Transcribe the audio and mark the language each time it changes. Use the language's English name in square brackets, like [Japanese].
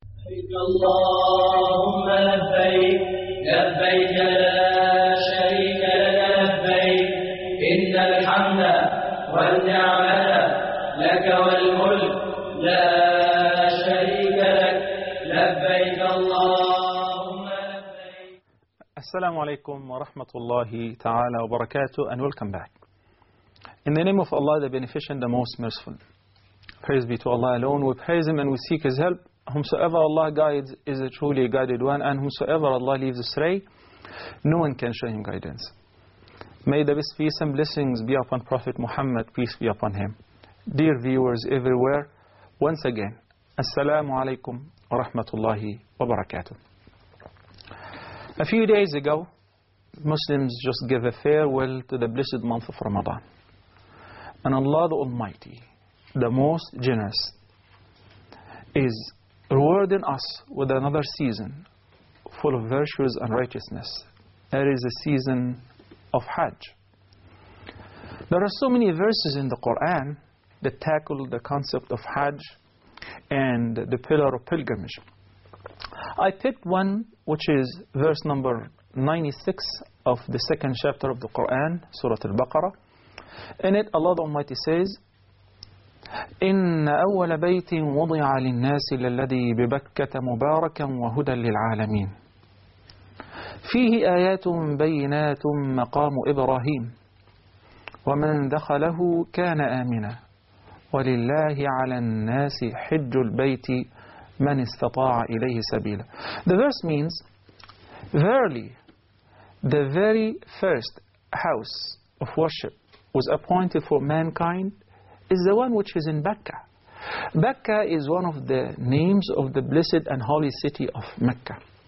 [Arabic] اللهم لبيك لبيك لا شريك لك لبيك إن الحمد والنعمة لك والملك لا شريك لك لبيك اللهم لبيك. السلام عليكم ورحمة الله تعالى وبركاته [English] and welcome back. In the name of Allah, the Beneficent, the Most Merciful. Praise be to Allah alone. We praise Him and we seek His help. Whomsoever Allah guides is a truly guided one, and whomsoever Allah leaves astray, no one can show him guidance. May the best peace and blessings be upon Prophet Muhammad, peace be upon him. Dear viewers everywhere, once again, Assalamu alaikum wa rahmatullahi wa barakatuh. A few days ago, Muslims just gave a farewell to the blessed month of Ramadan. And Allah the Almighty, the Most Generous, is rewarding us with another season full of virtues and righteousness. That is a season of Hajj. There are so many verses in the Quran that tackle the concept of Hajj and the pillar of pilgrimage. I picked one which is verse number 96 of the second chapter of the Quran, Surah Al-Baqarah. In it, Allah the Almighty says, [Arabic] إِنَّ أَوَّلَ بَيْتٍ وُضِعَ لِلنَّاسِ لَلَّذِي بِبَكَّةَ مُبَارَكًا وَهُدًى لِلْعَالَمِينَ فِيهِ آيَاتٌ بَيِّنَاتٌ مَقَامُ إِبْرَاهِيمَ وَمَنْ دَخَلَهُ كَانَ آمِنًا وَلِلَّهِ عَلَى النَّاسِ حِجُّ الْبَيْتِ مَنْ اسْتَطَاعَ إِلَيْهِ سَبِيلًا. [English] The verse means, verily, the very first house of worship was appointed for mankind is the one which is in Mecca. Mecca is one of the names of the blessed and holy city of Mecca.